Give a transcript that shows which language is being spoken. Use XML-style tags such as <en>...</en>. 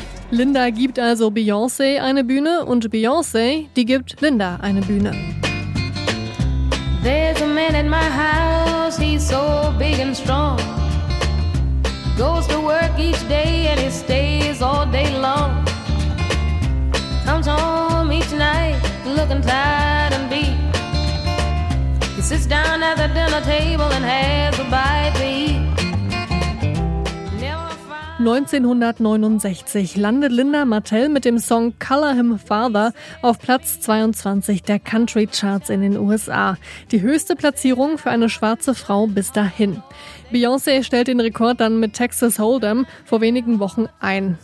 <de>Linda gibt also Beyoncé eine Bühne und Beyoncé, die gibt Linda eine Bühne.</de> <en>There's a man in my house, he's so big and strong. Goes to work each day and he stays all day long. Comes home each night looking tired and beat. He sits down at the dinner table and has a bite to eat.</en> <de>1969 landet Linda Martell mit dem Song Color Him Father auf Platz 22 der Country Charts in den USA. Die höchste Platzierung für eine schwarze Frau bis dahin. Beyoncé stellt den Rekord dann mit Texas Hold'em vor wenigen Wochen ein.</de>